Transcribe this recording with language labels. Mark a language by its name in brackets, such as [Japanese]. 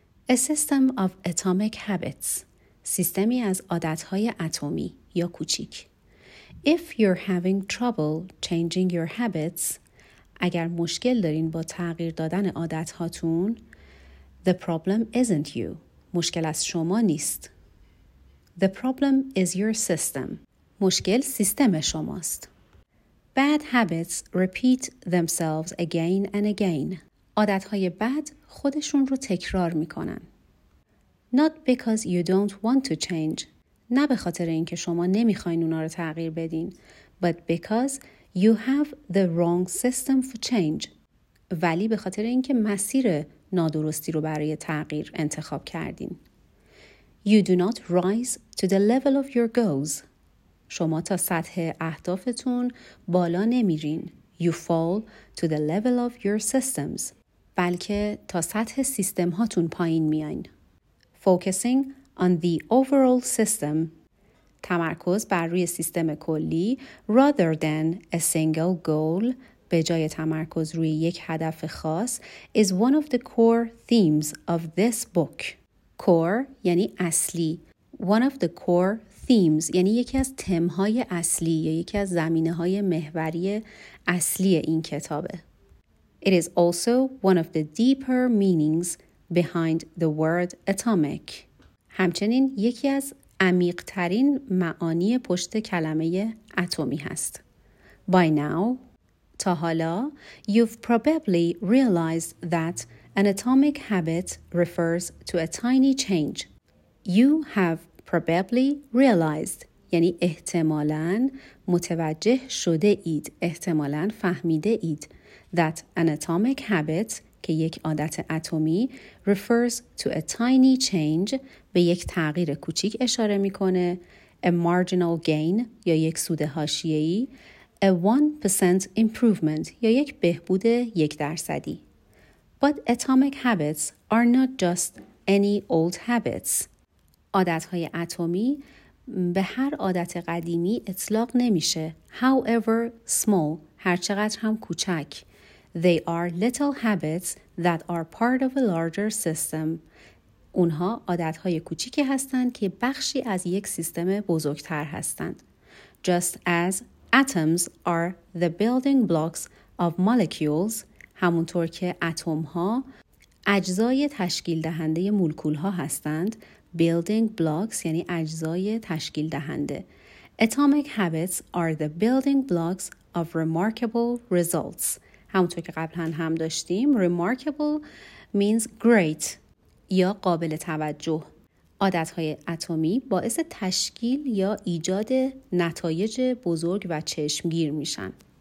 [English] A system of atomic habits. [Persian] سیستمی از عادت‌های اتمی یا کوچیک. [English] If you're having trouble changing your habits, [Persian] اگر مشکل دارین با تغییر دادن عادت‌هاتون, [English] the problem isn't you. [Persian] مشکل از شما نیست. [English] The problem is your system. [Persian] مشکل سیستم شماست. [English] Bad habits repeat themselves again and again. [Persian] عادت‌های بد خودشون رو تکرار می‌کنن. [English] Not because you don't want to change. [Persian] نه به خاطر اینکه شما نمی‌خواید اونا رو تغییر بدین, [English] but because you have the wrong system for change. [Persian] ولی به خاطر اینکه مسیر نادرستی رو برای تغییر انتخاب کردین. [English] You do not rise to the level of your goals. [Persian] شما تا سطح اهدافتون بالا نمیرین. [English] You fall to the level of your systems. [Persian] بلکه تا سطح سیستم هاتون پایین میاین. [English] Focusing on the overall system. [Persian] تمرکز بر روی سیستم کلی [English] rather than a single goal [Persian] به جای تمرکز روی یک هدف خاص [English] is one of the core themes of this book. [Persian] Core یعنی اصلی. [English] One of the core themes [Persian] یعنی یکی از تم‌های اصلی یا یکی از زمینه‌های محوری اصلی این کتابه. [English] It is also one of the deeper meanings behind the word atomic. [Persian] همچنین یکی از عمیق‌ترین معانی پشت کلمه اتمی هست. [English] By now, [Persian] تا حالا, [English] you've probably realized that an atomic habit refers to a tiny change. You have probably realized, [Persian] یعنی احتمالاً متوجه شده اید, احتمالاً فهمیده اید, [English] that an atomic habit, [Persian] که یک عادت اتمی, [English] refers to a tiny change, [Persian] به یک تغییر کوچیک اشاره میکنه, [English] a marginal gain, [Persian] یا یک سود حاشیه‌ای, [English] a 1% improvement, [Persian] یا یک بهبود 1%. [English] But atomic habits are not just any old habits. [Persian] عادت‌های اتمی به هر عادت قدیمی اطلاق نمیشه. [English] However small, [Persian] هرچقدر هم کوچک. [English] They are little habits that are part of a larger system. [Persian] اونها عادت‌های کوچیکی هستند که بخشی از یک سیستم بزرگتر هستند. [English] Just as atoms are the building blocks of molecules, [Persian] همونطور که اتم‌ها اجزای تشکیل دهنده مولکول‌ها هستند, [English] building blocks [Persian] یعنی اجزای تشکیل دهنده. [English] Atomic habits are the building blocks of remarkable results. [Persian] همونطور که قبلا هم داشتیم, [English] remarkable means great [Persian] یا قابل توجه. عادت‌های اتمی باعث تشکیل یا ایجاد نتایج بزرگ و چشمگیر میشن.